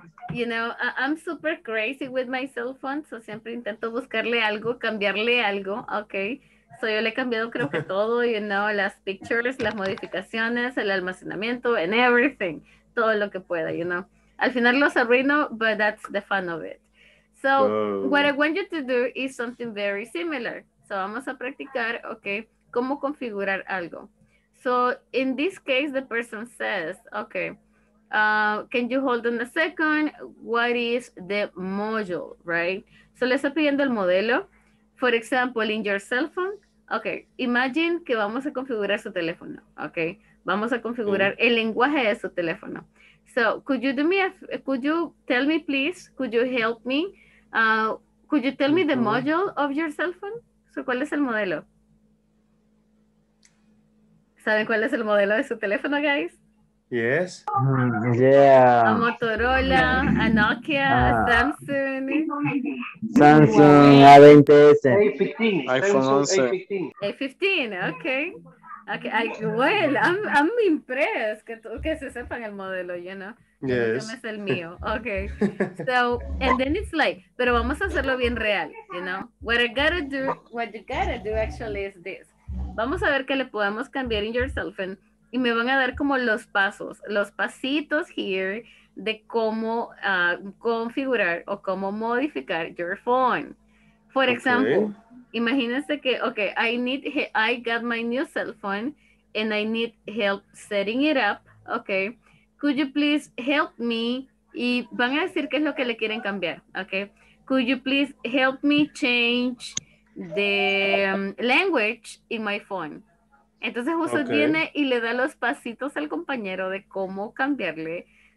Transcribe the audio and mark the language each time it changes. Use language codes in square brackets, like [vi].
[en] you know, I'm super crazy with my cell phone, so [es] siempre intento buscarle algo, cambiarle algo, [en] okay. [es] So yo le he cambiado creo que todo, you know, las pictures, las modificaciones, el almacenamiento, [en] and everything, [es] todo lo que pueda, you know. Al final los arruino, [en] but that's the fun of it. So what I want you to do is something very similar. [es] So vamos a practicar, okay, cómo configurar algo. [en] So in this case, the person says, okay, can you hold on a second? What is the module, right? So [es] le está pidiendo el modelo. [en] For example, in your cell phone. Okay, imagine [es] que vamos a configurar su teléfono. Okay, vamos a configurar el lenguaje de su teléfono. [en] So could you do me, could you tell me the module of your cell phone? [es] So ¿cuál es el modelo? ¿Saben cuál es el modelo de su teléfono, guys? [en] Yes. Yeah. A Motorola, a Nokia, a Samsung. Samsung A20s. A15. Okay. Well, I'm impressed. [es] Que se sepan el modelo, you know. [en] Yes. [es] Es el mío. [en] Okay. So, and then it's like, [es] pero vamos a hacerlo bien real, you know. [en] What you gotta do actually is this. [es] Vamos a ver que le podemos cambiar [en] in your cell phone. [es] Y me van a dar como los pasitos here de cómo configurar o cómo modificar [en] your phone. For example, [es] imagínense que, [en] okay, I got my new cell phone and I need help setting it up. Okay, could you please help me? [es] Y van a decir qué es lo que le quieren cambiar, okay? [en] Could you please help me change the language in my phone? [es] Entonces usted viene y le da los pasitos al compañero de cómo cambiarle